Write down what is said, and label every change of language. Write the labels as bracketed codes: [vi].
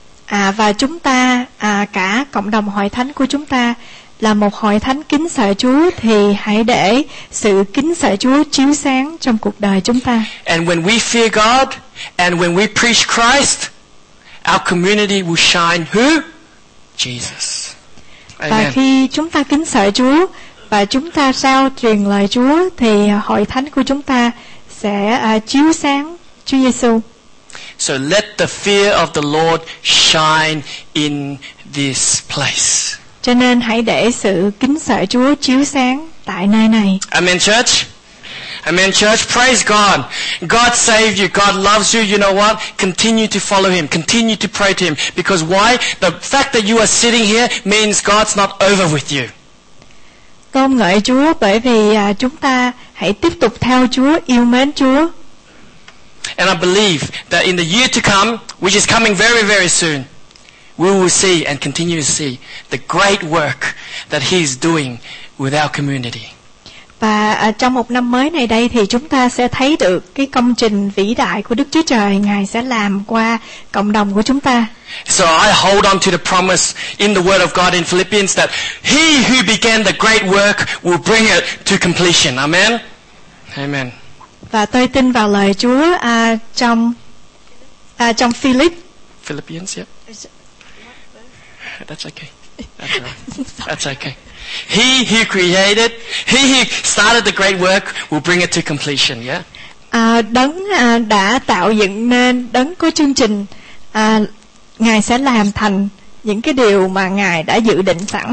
[vi] À, và chúng ta cả cộng đồng hội thánh của chúng ta là một hội thánh kính sợ Chúa, thì hãy để sự kính sợ Chúa chiếu sáng trong cuộc đời chúng ta. [en] And when we fear God and when we preach Christ, our community will shine who? Jesus. [vi] Amen. Và khi chúng ta kính sợ Chúa và chúng ta rao truyền lời Chúa, thì hội thánh của chúng ta sẽ chiếu sáng Chúa Giêsu. [en] So let the fear of the Lord shine in this place. [vi] Cho nên hãy để sự kính sợ Chúa chiếu sáng tại nơi này. [en] Amen, church. Amen, church. Praise God. God saved you. God loves you. You know what? Continue to follow Him. Continue to pray to Him. Because why? The fact that you are sitting here means God's not over with you. [vi] Tôn ngợi Chúa bởi vì chúng ta hãy tiếp tục theo Chúa, yêu mến Chúa. [en] And I believe that in the year to come, which is coming very, very soon, we will see and continue to see the great work that He is doing with our community. [vi] Và trong một năm mới này đây thì chúng ta sẽ thấy được cái công trình vĩ đại của Đức Chúa Trời Ngài sẽ làm qua cộng đồng của chúng ta. [en] So I hold on to the promise in the Word of God in Philippians that He who began the great work will bring it to completion. Amen. Amen. [vi] Và tôi tin vào lời Chúa trong [en] Philippians, yep. That's okay. That's okay. He who started the great work will bring it to completion, yeah? [vi] Đấng đã tạo dựng nên, đấng có chương trình, Ngài sẽ làm thành những cái điều mà Ngài đã dự định sẵn.